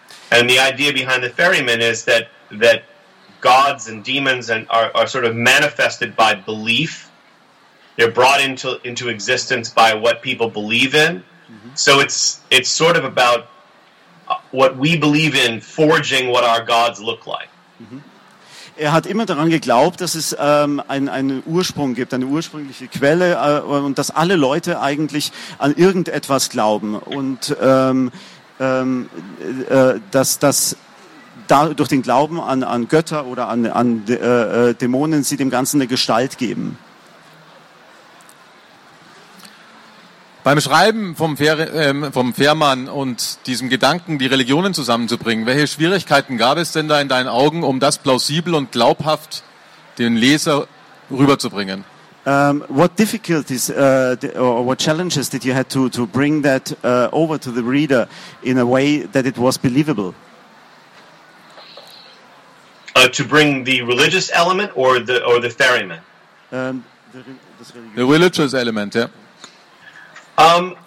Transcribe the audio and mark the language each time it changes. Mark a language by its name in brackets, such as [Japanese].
[English] And the idea behind the ferryman is that gods and demons are sort of manifested by belief. They're brought into existence by what people believe in. Mm-hmm. So it's sort of about what we believe in forging what our gods look like. [German] Er hat immer daran geglaubt, dass es einen Ursprung gibt, eine ursprüngliche Quelle, und dass alle Leute eigentlich an irgendetwas glauben, und dass das durch den Glauben an Götter oder an Dämonen sie dem Ganzen eine Gestalt geben. Beim Schreiben vom Fährmann und diesem Gedanken, die Religionen zusammenzubringen, welche Schwierigkeiten gab es denn da in deinen Augen, um das plausibel und glaubhaft den Leser rüberzubringen? [English] What difficulties or what challenges did you have to bring that over to the reader in a way that it was believable? To bring the religious element or the ferryman? The religious element, yeah.